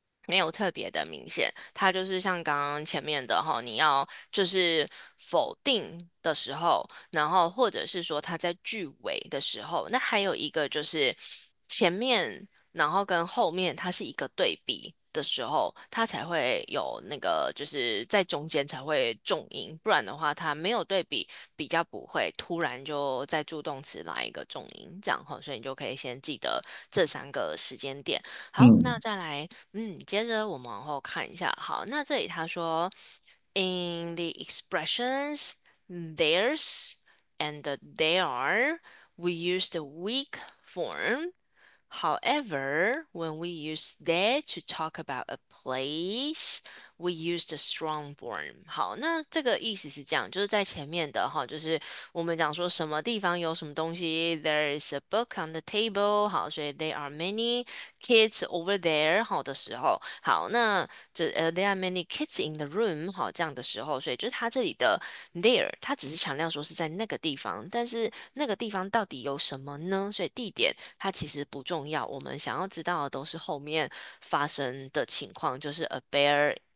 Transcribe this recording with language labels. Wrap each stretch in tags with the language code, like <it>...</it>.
<zh>没有特别的明显，它就是像刚刚前面的哈，你要就是否定的时候，然后或者是说它在句尾的时候，那还有一个就是前面，然后跟后面它是一个对比的时候，它才会有那个就是在中间才会重音，不然的话它没有对比，比较不会突然就在助动词来一个重音，这样哈，所以你就可以先记得这三个时间点。好，那再来，接着我们往后看一下。</zh> <en>好，那这里他说，In the expressions there's and there are, we use the weak form. However, when we use there to talk about a place, we use the strong form.</en> <zh>好，那这个意思是这样，就是在前面的哈，就是我们讲说什么地方有什么东西，</zh> <en>There is a book on the table.</en> <zh>好，所以</zh> <en>there are many kids over there.</en> <zh>好的时候，好，那这</zh> <en>there are many kids in the room.</en> <zh>好，这样的时候，所以就是它这里的 there，它只是强调说是在那个地方，但是那个地方到底有什么呢？所以地点它其实不重要，我们想要知道的都是后面发生的情况，就是 a bear。</zh>